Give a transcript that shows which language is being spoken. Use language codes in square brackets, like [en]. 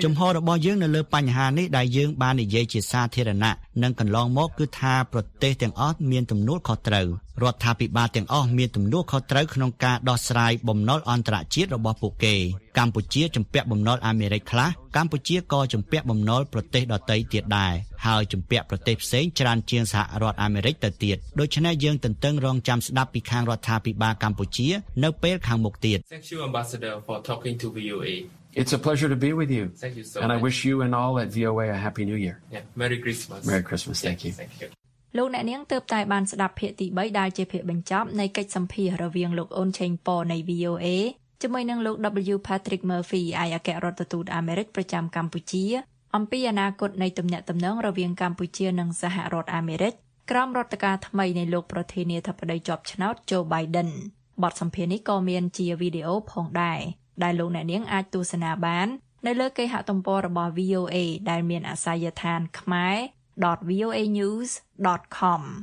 [km] ចំហររបស់យើងនៅលើបញ្ហានេះដែលយើងបាននិយាយជាសាធារណៈនិងកន្លងមកគឺថាប្រទេសទាំងអស់មានទំនួលខុសត្រូវរដ្ឋាភិបាលទាំងអស់មានទំនួលខុសត្រូវក្នុងការដោះស្រាយបំណុលអន្តរជាតិរបស់ពួកគេកម្ពុជាជំពាក់បំណុលអាមេរិកខ្លះកម្ពុជាក៏ជំពាក់បំណុលប្រទេសដទៃទៀតដែរហើយជំពាក់ប្រទេសផ្សេងច្រើនជាងសហរដ្ឋអាមេរិកទៅទៀតដូច្នេះយើងទន្ទឹងរង់ចាំស្ដាប់ពីខាងរដ្ឋាភិបាលកម្ពុជានៅពេលខាងមុខទៀត [en] It's a pleasure to be with you. Thank you so much. And I wish you and all at VOA a happy new year. Yeah, Merry Christmas. Merry Christmas. Yeah, thank you. Thank you. [km] លោកអ្នកនាងទើបតែបានស្ដាប់ភាគទី3ដែលជាភាគបញ្ចប់នៃកិច្ចសម្ភាសន៍រវាងលោកអូនឆេងប៉ូនៃ VOA ជាមួយនឹងលោក W. Patrick Murphy អគ្គរដ្ឋទូតអាមេរិកប្រចាំកម្ពុជាអំពីអនាគតនៃទំនាក់ទំនងរវាងកម្ពុជានិងសហរដ្ឋអាមេរិកក្រោមរដ្ឋការថ្មីនៃលោកប្រធានាធិបតីជាប់ឆ្នោត Joe Biden បទសម្ភាសន៍នេះក៏មានជាវីដេអូផងដែរដែលលោកអ្នកនាងអាចទស្សនាបាននៅលើគេហទំព័ររបស់ VOA ដែលមានអាសយដ្ឋានខ្មែរvoanews.com